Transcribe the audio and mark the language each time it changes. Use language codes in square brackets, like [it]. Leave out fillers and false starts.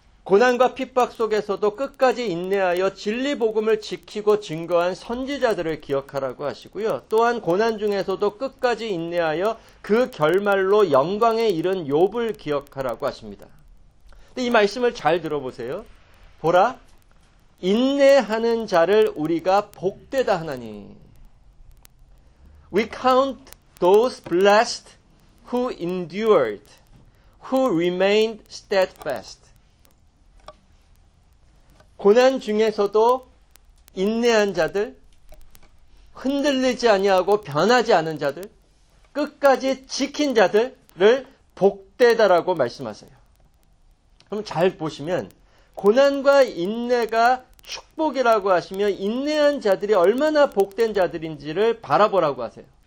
[ko] 고난과 핍박 속에서도 끝까지 인내하여 진리 복음을 지키고 증거한 선지자들을 기억하라고 하시고요. 또한 고난 중에서도 끝까지 인내하여 그 결말로 영광에 이른 욥을 기억하라고 하십니다. 근데 이 말씀을 잘 들어보세요. 보라, 인내하는 자를 우리가 복되다 하나니. [en] We count those blessed who endured, who remained steadfast. [ko] 고난 중에서도 인내한 자들, 흔들리지 아니하고 변하지 않은 자들, 끝까지 지킨 자들을 복되다라고 말씀하세요. 그럼 잘 보시면 고난과 인내가 축복이라고 하시며 인내한 자들이 얼마나 복된 자들인지를 바라보라고 하세요.